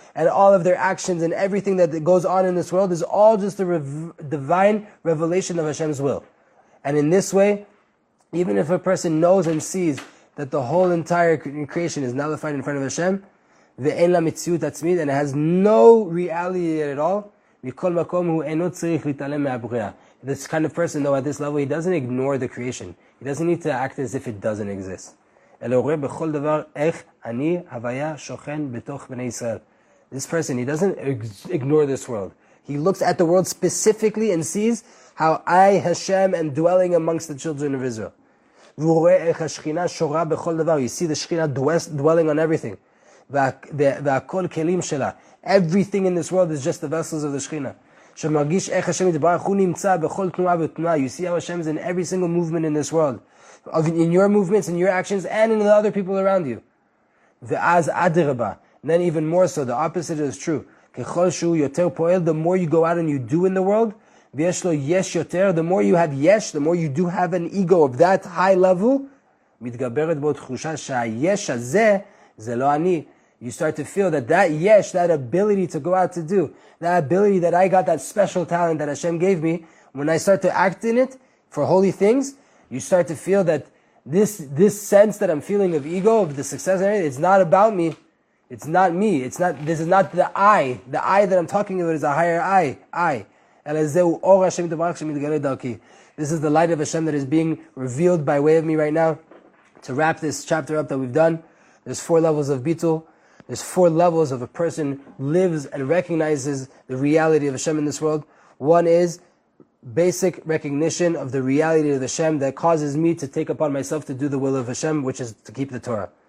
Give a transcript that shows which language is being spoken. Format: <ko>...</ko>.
<en>And all of their actions and everything that goes on in this world is all just a divine revelation of Hashem's will. And in this way, even if a person knows and sees that the whole entire creation is nullified in front of Hashem,</en> <he>ve'en la mitziut atzmid,</he> <en>and it has no reality at all,</en> <he>מכל מקום הוא אינו צריך להתעלם מהבריאה.</he> <en>This kind of person, though, at this level, he doesn't ignore the creation. He doesn't need to act as if it doesn't exist.</en> <he>אלא הוא רואה בכל דבר איך אני הוויה שוכן בתוך בני ישראל.</he> <en>This person, he doesn't ignore this world. He looks at the world specifically and sees how I, Hashem, am dwelling amongst the children of Israel.</en> <he>והוא רואה איך השכינה שורה בכל דבר.</he> <en>You see the שכינה dwelling on everything.</en> <he>והכל כלים שלה.</he> <en>Everything in this world is just the vessels of the שכינה.</en> <he>שמרגיש איך השם יתברך, הוא נמצא בכל תנועה ותנועה.</he> <en>You see how Hashem is in every single movement in this world. In your movements, in your actions, and in the other people around you.</en> <he>ואז אדרבה.</he> <en>Then even more so, the opposite is true.</en> <he>ככל שהוא יותר פועל,</he> <en>the more you go out and you do in the world,</en> <he>ויש לו יש יותר,</he> <en>the more you have יש, the more you do have an ego of that high level,</en> <he>מתגברת בו תחושה שהיש הזה, זה לא אני.</he> <en>You start to feel that that yesh, that ability to go out to do, that ability that I got, that special talent that Hashem gave me, when I start to act in it for holy things, you start to feel that this sense that I'm feeling of ego, of the success, it's not about me. It's not me. It's not, this is not the I. The I that I'm talking about is a higher I. I.</en> <he>אלא זהו אור השם יתברך שמתגלה דרכי.</he> <en>This is the light of Hashem that is being revealed by way of me right now. To wrap this chapter up that we've done, there's four levels of bitul. There's four levels of a person lives and recognizes the reality of Hashem in this world. One is basic recognition of the reality of Hashem that causes me to take upon myself to do the will of Hashem, which is to keep the Torah.</en>